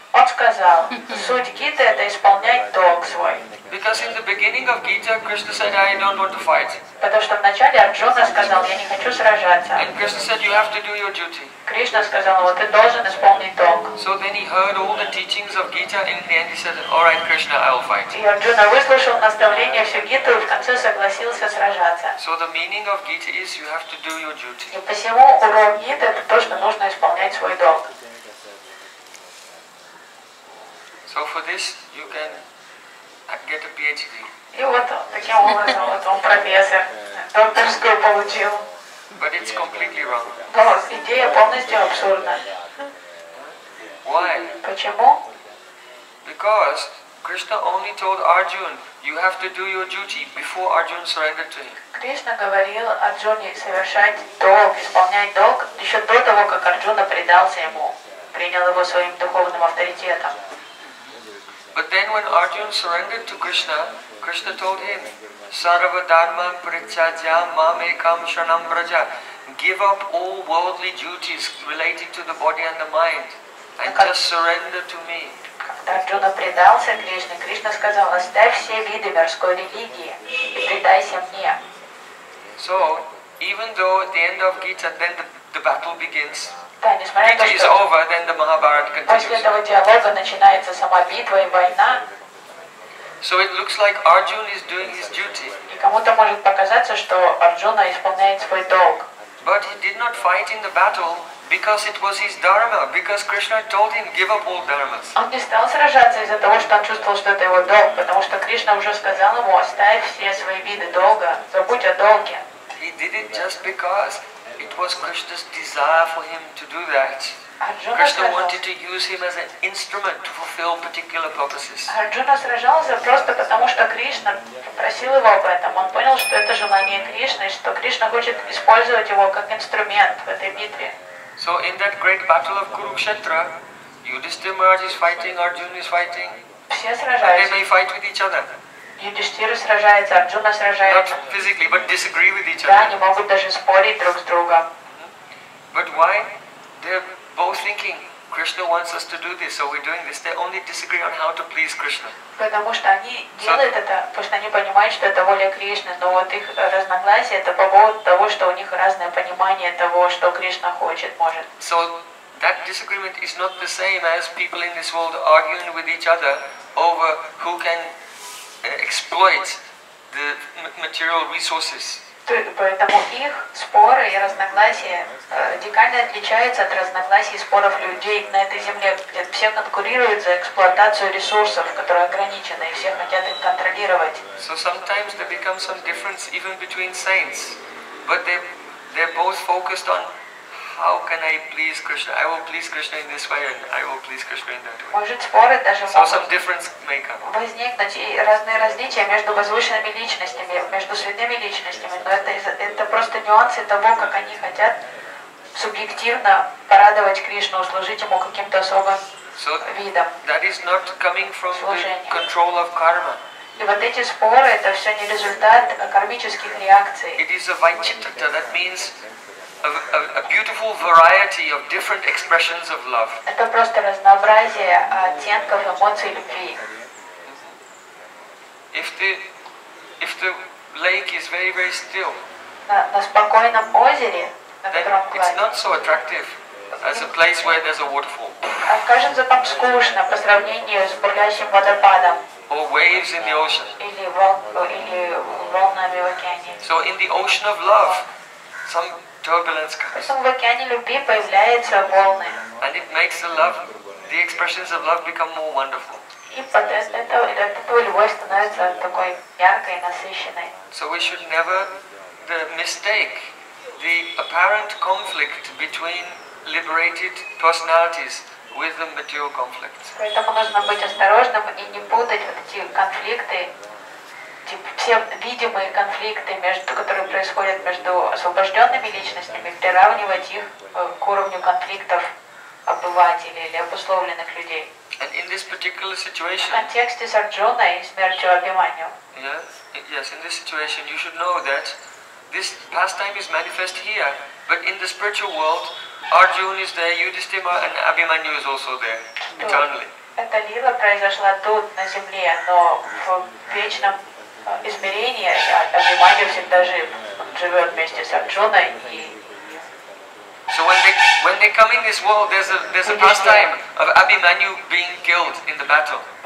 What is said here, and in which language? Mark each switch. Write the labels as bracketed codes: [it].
[ru] Он сказал, суть Гиты это исполнять долг свой. [en] Because in the beginning of Gita, Krishna said, I don't want to fight. [ru] Потому что в начале Арджуна сказал, я не хочу сражаться. [en] And Krishna said, you have to do your duty. [ru] Кришна сказал, вот ты должен исполнить долг. [en] So then he heard all the teachings of Gita, and in the end he said, all right, Krishna, I will fight. [ru] И Арджуна выслушал наставления всю Гиту и в конце согласился сражаться. [en] So the meaning of Gita is, you have to do your duty. [ru] И посему урок Гиты это то, что нужно исполнять свой долг. [en] So for this you can get a PhD. [ru] И вот таким образом вот он профессор, докторскую получил. [en] But it's completely wrong. [ru] Но идея полностью абсурдна. [en] Why? [ru] Почему? [en] Because Krishna only told Arjuna, you have to do your duty before Arjuna surrendered to him. [ru] Кришна говорил Арджуне совершать долг, исполнять долг еще до того, как Арджуна предался ему, принял его своим духовным авторитетом. [en] But then when Arjuna surrendered to Krishna, Krishna told him, [sa] Sarva dharma prichajya mamekam shanam braja. [en] Give up all worldly duties relating to the body and the mind and just surrender to me. [ru] Когда Арджуна предался Кришне, Кришна сказал, оставь все виды мирской религии и предайся мне. [en] So, even though at the end of Gita, then the battle begins. [ru] Да, несмотря на то, что [en] over, then the Mahabharata continues. [ru] После этого диалога начинается сама битва и война. [en] So it looks like Arjuna is doing his duty. [ru] И кому-то может показаться, что Арджуна исполняет свой долг. [en] But he did not fight in the battle because it was his dharma, because Krishna told him give up all dharmas. [ru] Он не стал сражаться из-за того, что он чувствовал, что это его долг, потому что Кришна уже сказал ему оставь все свои виды долга, забудь о долге. [en] He did it just because. It was Krishna's desire for him to do that. Arjuna Krishna [ru] сражался. [en] Wanted to use him as an instrument to fulfill particular purposes. [ru] Arjuna сражался просто потому, что Кришна попросил его об этом. Он понял, что это желание Кришны, что Кришна хочет использовать его как инструмент в этой битве. [en] So in that great battle of Kurukshetra, Yudhishthira Maharaj is fighting, Arjuna is fighting. [ru] Все сражаются. [en] And they may fight with each other. [ru] Юдиштира сражается, Арджуна сражается. [en] Not physically, but disagree with each other. [ru] Да, они могут даже спорить друг с другом. [en] But why? They're both thinking Krishna wants us to do this, so we're doing this. They only disagree on how to please Krishna. [ru] Потому что они делают это, потому что они понимают, что это воля Кришны, но вот их разногласия это по поводу того, что у них разное понимание того, что Кришна хочет, может. [en] So that disagreement is not the same as people in this world arguing with each other over who can exploit the material resources. [ru] Поэтому их споры и разногласия радикально отличаются от разногласий и споров людей на этой земле, где все конкурируют за эксплуатацию ресурсов, которые ограничены, и все хотят их контролировать. [en] So sometimes there becomes some difference even between saints, but they're both focused on how can I please Krishna? I will please Krishna in this way, and I will please Krishna in that way. [ru] Может споры даже [en] so some difference may come. [ru] Возникнуть и разные различия между возвышенными личностями, между святыми личностями, но это просто нюансы того, как они хотят субъективно порадовать Кришну, услужить ему каким-то особым [en] so [ru] видом. [en] That is not coming from the control of karma. [ru] И вот эти споры это все не результат кармических реакций. [en] It is a vaichitta. That means a beautiful variety of different expressions of love. [ru] Это просто разнообразие оттенков эмоций любви. [en] If the lake is very very still. [ru] На спокойном озере, на котором [en] it's not so attractive as a place where there's a waterfall. [ru] Кажется там скучно по сравнению с бурлящим водопадом. [en] Or waves in the ocean. [ru] Или волнами в океане. [en] So in the ocean of love, some turbulence comes. [ru] Поэтому в океане любви появляются волны. [en] And it makes the love, the expressions of love become more wonderful. [ru] И под это любовь становится такой яркой, насыщенной. [en] So we should never mistake the apparent conflict between liberated personalities with the material conflicts. [ru] Поэтому нужно быть осторожным и не путать вот эти конфликты. Все видимые конфликты, которые происходят между освобожденными личностями, приравнивать их к уровню конфликтов обывателей или обусловленных людей. [en] And in this particular situation, context is Arjuna is married to Abhimanyu. Yes, in this situation you should know that this pastime is manifest here, but in the spiritual world, Arjuna is there, Yudhishthira and Abhimanyu is also there, eternally. Эта лила произошла тут, на земле, но в вечном измерении Абхиманьо всегда живет вместе с Арджуной. So when they come in this world, there's a pastime of Abhimanyu being killed in the battle.